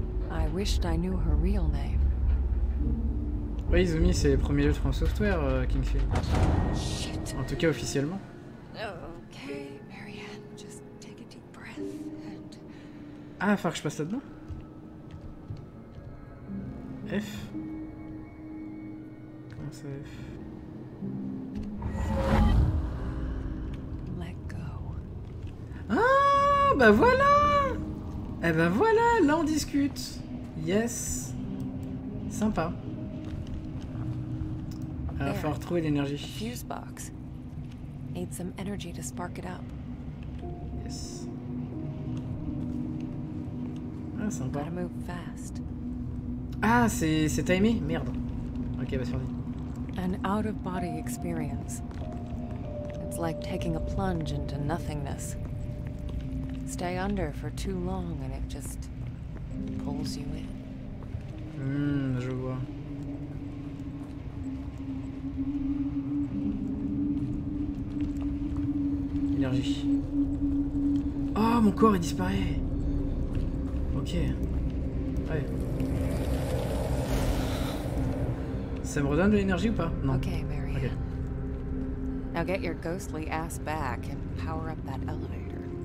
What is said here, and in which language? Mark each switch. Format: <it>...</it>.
<en>I wished I knew her real name.</en> <fr>Oui, Izumi, c'est le premier jeu de France Software, Kingfield.</fr> <en>Shit.</en> <fr>En tout cas, officiellement.</fr> <en>Okay, Marianne, just take a deep breath and...</en> <fr>Ah, faut que je passe là-dedans. F. Comment ça, F?</fr> <en>Let go.</en> <fr>Ah, bah voilà! Eh bah voilà, là on discute. Yes. Sympa. Il faut retrouver l'énergie.</fr> <en>Fuse box. Need some energy to spark it up. Yes.</en> <fr>Ah, sympa.</fr> <en>Gotta move fast.</en> <fr>Ah, c'est timé. Merde. Ok, vas-y, vas-y.</fr> <en>An out of body experience. It's like taking a plunge into nothingness. Stay under for too long and it just pulls you in.</en> <fr>Je vois. Oh, mon corps il disparaît. Ok. Ouais. Ça me redonne de l'énergie ou pas? Non.</fr> <en>Ok, Mary. Okay. Now get your ghostly ass back and power up that elevator.</en>